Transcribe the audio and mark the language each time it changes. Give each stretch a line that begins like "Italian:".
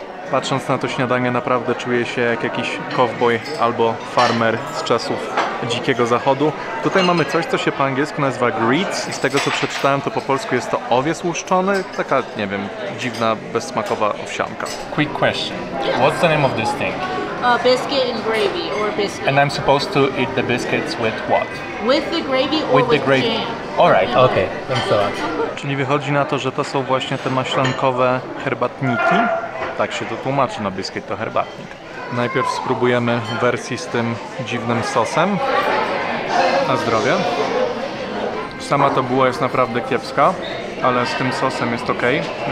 Polish: Patrząc na to śniadanie, naprawdę czuję się jak jakiś cowboy albo farmer z czasów dzikiego zachodu. Tutaj mamy coś, co się po angielsku nazywa grits i z tego co przeczytałem, to po polsku jest to owies łuszczony. Taka, nie wiem, dziwna, bezsmakowa owsianka.
English: Quick question. What's the name of this thing? Biscuit and gravy or biscuit. And I'm supposed to eat the biscuits with what? With the gravy or with the gravy. Jam. Alright, okay. Thanks a lot.
Polish: Czyli wychodzi na to, że to są właśnie te maślankowe herbatniki. Tak się to tłumaczy, no biscuit to herbatnik. Najpierw spróbujemy wersji z tym dziwnym sosem. Na zdrowie. Sama ta buła jest naprawdę kiepska, ale z tym sosem jest okej. Okay.